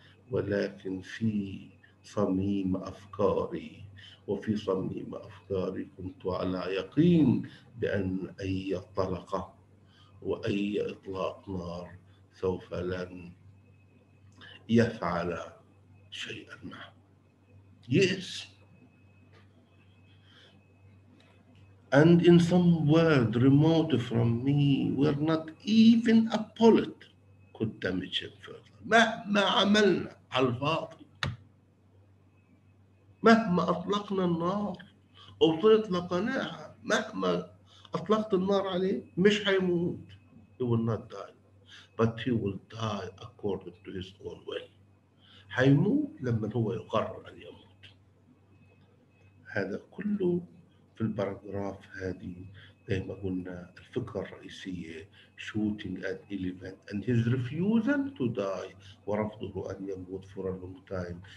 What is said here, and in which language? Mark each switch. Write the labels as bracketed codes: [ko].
[ar] ولكن في صميم أفكاري وفي صميم أفكاري كنت على يقين بأن أي طلقة وأي إطلاق نار سوف لن يفعل شيئا معه. [en] Yes. And in some world remote from me, where not even a bullet could damage him further. [ar] مهما عملنا على الفاضي. مهما أطلقنا النار أو أطلقناها. مهما أطلقت النار عليه مش حيموت. [en] He will not die. But he will die according to his own will. [ar] حيموت لما هو يقرر أن يموت. هذا كله في الباراجراف هذه. زي ما قلنا الفكره الرئيسيه [en] shooting at elephant and his refusal to die [ar] ورفضه ان يموت [en] for a long time.